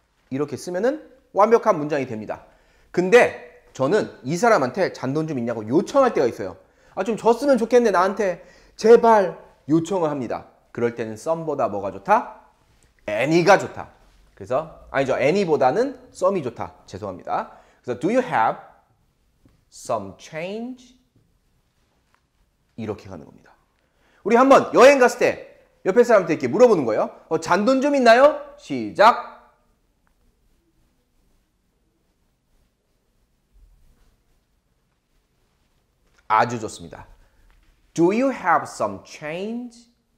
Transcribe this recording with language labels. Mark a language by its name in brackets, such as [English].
[Korean] 이렇게 쓰면은 완벽한 문장이 됩니다. 근데 저는 이 사람한테 잔돈 좀 있냐고 요청할 때가 있어요. 아, 좀 줬으면 좋겠네. 나한테 제발 요청을 합니다. 그럴 때는 some보다 뭐가 좋다? Any가 좋다. 그래서 아니죠. Any보다는 some이 좋다. 죄송합니다. 그래서 [English] Do you have some change? [Korean] 이렇게 가는 겁니다. 우리 한번 여행 갔을 때 옆에 사람한테 이렇게 물어보는 거예요. 어, 잔돈 좀 있나요? 시작! 아주 좋습니다. [English] Do you have some change?